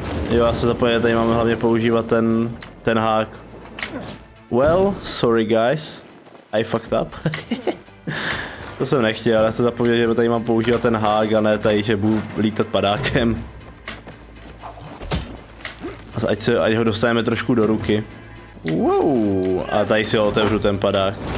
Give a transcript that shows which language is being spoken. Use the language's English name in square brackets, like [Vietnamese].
[Czech] Jo, já se zapojím, tady máme hlavně používat ten hák. [English] Well, sorry guys, I fucked up. [Czech] To jsem nechtěl, já se zapomněl, že tady mám používat ten hák a ne tady, že budu lítat padákem. Ať ho dostaneme trošku do ruky. Wow, a tady si otevřu ten padák.